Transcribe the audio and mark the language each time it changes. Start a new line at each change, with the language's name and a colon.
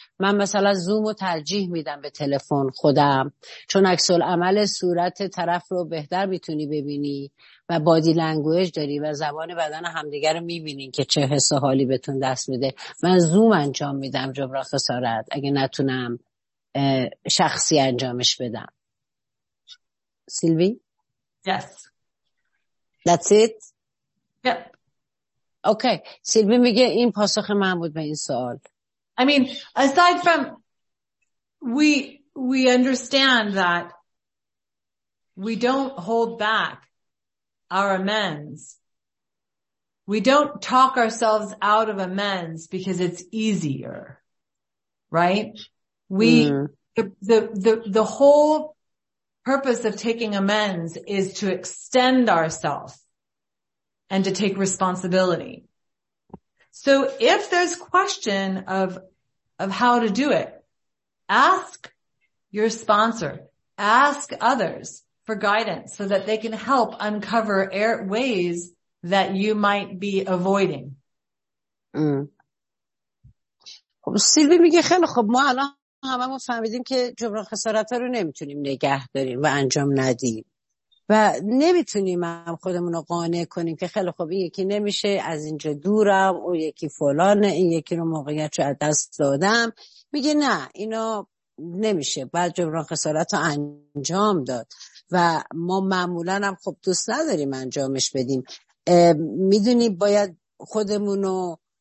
Persian: من مثلا زوم رو ترجیح میدم به تلفن خودم چون عکس العمل صورت طرف رو بهتر میتونی ببینی و بادی لنگویج داری و زبان بدن همدیگر رو میبینی که چه حس و حالی بهتون دست میده من زوم انجام میدم جبران خسارت اگه نتونم شخصی انجامش بدم سیلوی؟
English: Yes That's it? Yep
Persian: Okay, Sylvie میگه این پاسخ من بود به این سوال.
English: I mean, aside from we understand that we don't hold back our amends. We don't talk ourselves out of amends because it's easier. Right? We the whole purpose of taking amends is to extend ourselves and to take responsibility. So if there's question of how to do it, ask your sponsor, ask others for guidance so that they can help uncover ways that you might be avoiding.
Persian: خب سیلوی میگه خیلی خب ما الان هممون فهمیدیم که جبران خسارت رو نمیتونیم نگه داریم و انجام ندیم. و نمیتونیم هم خودمون رو قانع کنیم که خیلی خوب این یکی نمیشه از اینجا دورم او یکی فلانه این یکی رو موقعیت رو از دست دادم میگه نه اینا نمیشه بعد جبران خسارت رو انجام داد و ما معمولا هم خب دوست نداریم انجامش بدیم میدونیم باید خودمون رو